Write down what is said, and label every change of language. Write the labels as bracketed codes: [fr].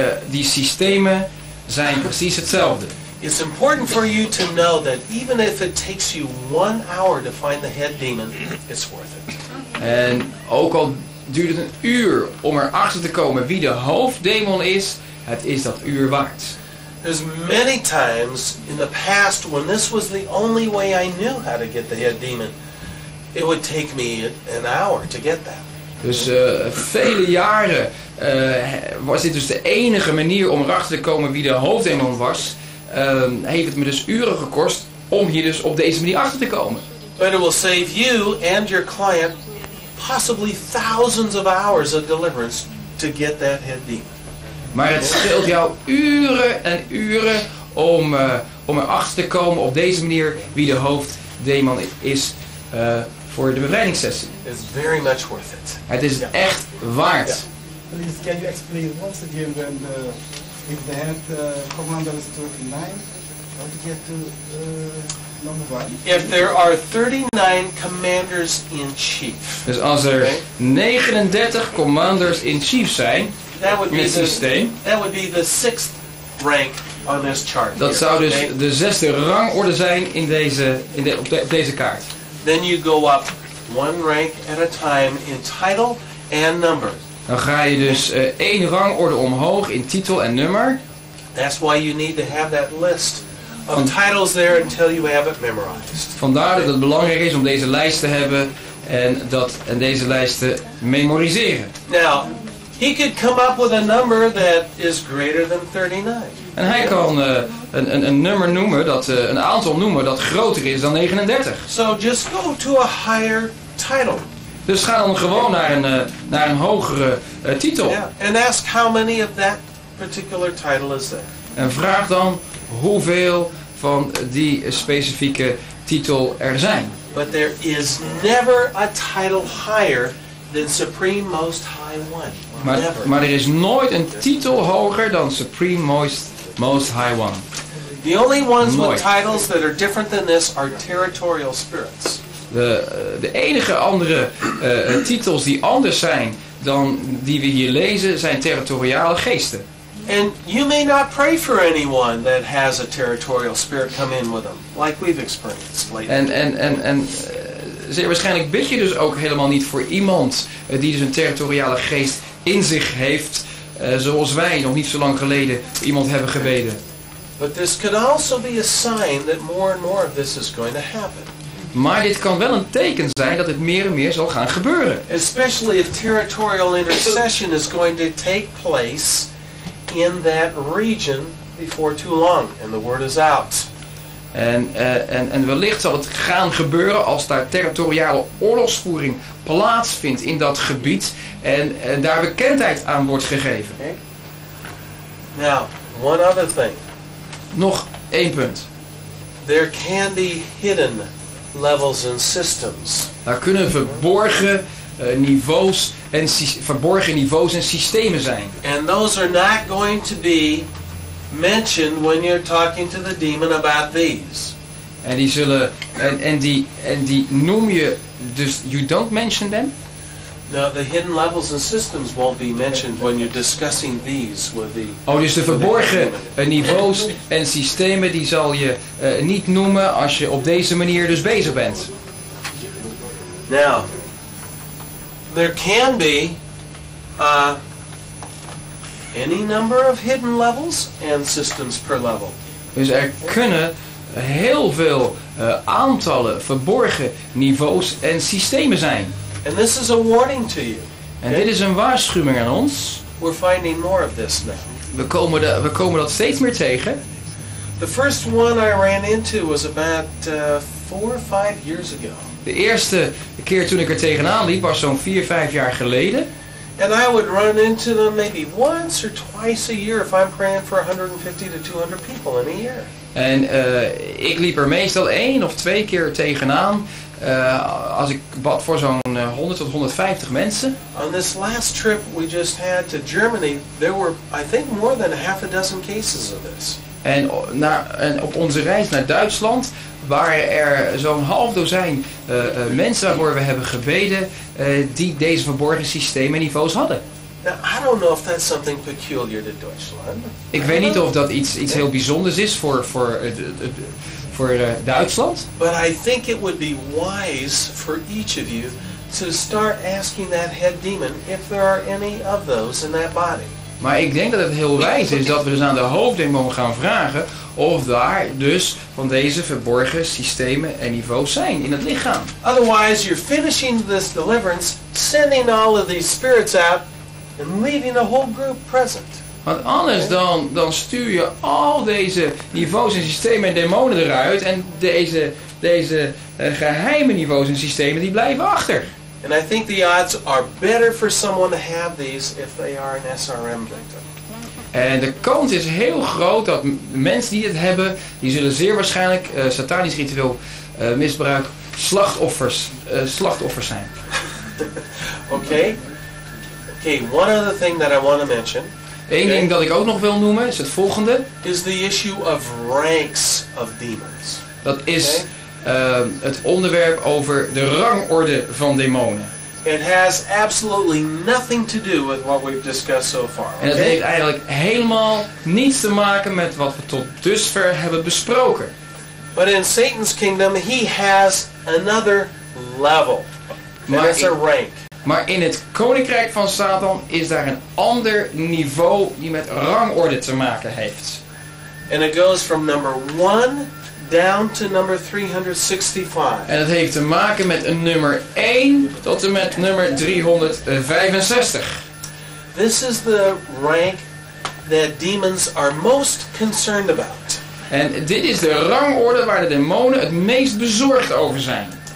[nl] Die systemen zijn precies hetzelfde. [en] It's important for you to know that even if it takes you 1 hour to find the head demon, it's worth it. [nl] En ook al duurt het een uur om erachter te komen wie de hoofddemon is, het is dat uur waard. [en] There's many times in the past when this was the only way I knew how to get the head demon, it would take me an hour to get that. [nl] Dus vele jaren was dit dus de enige manier om erachter te komen wie de hoofddemon was. Heeft het me dus uren gekost om hier dus op deze manier achter te komen. [en] But it will save you and your client possibly thousands of hours of deliverance to get that head demon. [nl] Maar het scheelt jou uren en uren om erachter te komen op deze manier wie de hoofddemon is voor de bevrijdingssessie. [en] It's very much worth it. [nl] Het is echt waard. Yeah. [en] Please, can you explain once again when if the head commander is 39, how to get to number one? If there are 39 commanders in chief. [nl] Dus als er 39 commanders in chief zijn. [en] That would be the sixth rank on this chart. [nl] Dat zou dus de zesde rangorde zijn in deze op deze kaart. [en] Then you go up one rank at a time in title and number. [nl] Dan ga je dus één rangorde omhoog in titel en nummer. [en] That's why you need to have that list of titles there until you have it memorized. [nl] Vandaar dat het belangrijk is om deze lijst te hebben en deze lijst te memoriseren. [en] Now, he could come up with a number that is greater than 39. [nl] En hij kan een nummer noemen dat een aantal noemen dat groter is dan 39. [en] So just go to a higher title. [nl] Dus ga dan gewoon naar een hogere titel. [en] Yeah. And ask how many of that particular title is there. [nl] En vraag dan hoeveel van die specifieke titel er zijn. [en] But there is never a title higher than Supreme Most High One. [nl] Maar er is nooit een titel hoger dan Supreme Most High One. [en] The only ones with titles that are different than this are territorial spirits. [nl] De enige andere titels die anders zijn dan die we hier lezen zijn territoriale geesten. [en] And you may not pray for anyone that has a territorial spirit come in with them, like we've experienced lately. [nl] Zeer waarschijnlijk bid je dus ook helemaal niet voor iemand die dus een territoriale geest in zich heeft, zoals wij nog niet zo lang geleden iemand hebben gebeden. [en] But this could also be a sign that more and more of this is going to happen. [nl] Maar dit kan wel een teken zijn dat het meer en meer zal gaan gebeuren. [en] Especially if territorial intercession is going to take place in that region before too long and the word is out. [nl] En wellicht zal het gaan gebeuren als daar territoriale oorlogsvoering plaatsvindt in dat gebied en daar bekendheid aan wordt gegeven. [en] Okay. Now, one other thing. [nl] Nog één punt. [en] There can be hidden levels and systems. [nl] Daar kunnen verborgen niveaus en verborgen niveaus en systemen zijn. [en] And those are not going to be mentioned when you're talking to the demon about these. [nl] En die zullen en die noem je dus, [en] you don't mention them? No, the hidden levels and systems won't be mentioned when you're discussing these with the. [nl] Oh, dus de verborgen niveaus en systemen die zal je niet noemen als je op deze manier dus bezig bent. Now, there can be any number of hidden levels and systems per level. Dus er kunnen heel veel aantallen verborgen niveaus en systemen zijn. [en] And this is a warning to you. [nl] En dit is een waarschuwing aan ons. [en] We're finding more of this now. [nl] We komen dat steeds meer tegen. [en] The first one I ran into was about 4 or 5 years ago. [nl] De eerste keer toen ik er tegenaan liep was zo'n 4-5 jaar geleden. [en] And I would run into them maybe once or twice a year if I'm praying for 150 to 200 people in a year. [nl] En ik liep er meestal 1 of 2 keer tegenaan als ik bad voor zo'n 100 tot 150 mensen. [en] On this last trip we just had to Germany, there were I think more than a half a dozen cases of this. [nl] En op onze reis naar Duitsland waren er zo'n half dozijn mensen waarvoor we hebben gebeden die deze verborgen systemen niveaus hadden. [en] Now, I don't know if that's something peculiar to Deutschland. [nl] Ik weet niet of dat iets heel bijzonders is voor Duitsland. [en] But I think it would be wise for each of you to start asking that head demon if there are any of those in that body. [nl] Maar ik denk dat het heel wijs is dat we dus aan de hoofddemon gaan vragen of daar dus van deze verborgen systemen en niveaus zijn in het lichaam. [en] Otherwise you're finishing this deliverance, sending all of these spirits out and leaving a whole group present. [nl] Want anders dan stuur je al deze niveaus en systemen en demonen eruit en deze geheime niveaus en systemen die blijven achter. [en] And I think the odds are better for someone to have these if they are an SRM victim. [nl] En de kans is heel groot dat mensen die het hebben, die zullen zeer waarschijnlijk satanisch ritueel misbruik slachtoffers zijn. [en] Okay. One other thing that I want to mention. [nl] Eén ding dat ik ook nog wil noemen is het volgende. [en] Is the issue of ranks of demons. [nl] Dat is het onderwerp over de rangorde van demonen. [en] It has absolutely nothing to do with what we've discussed so far. [nl] En het heeft eigenlijk helemaal niets te maken met wat we tot dusver hebben besproken. [en] But in Satan's kingdom he has another level. [nl] Maar [en] it's a rank. [nl] Maar in het koninkrijk van Satan is daar een ander niveau die met rangorde te maken heeft. [en] And it goes from number 1 down to number 365. [nl] En het heeft te maken met een nummer 1 tot en met nummer 365. [en] This is the rank that demons are most concerned about. [nl] En dit is de rangorde waar de demonen het meest bezorgd over zijn.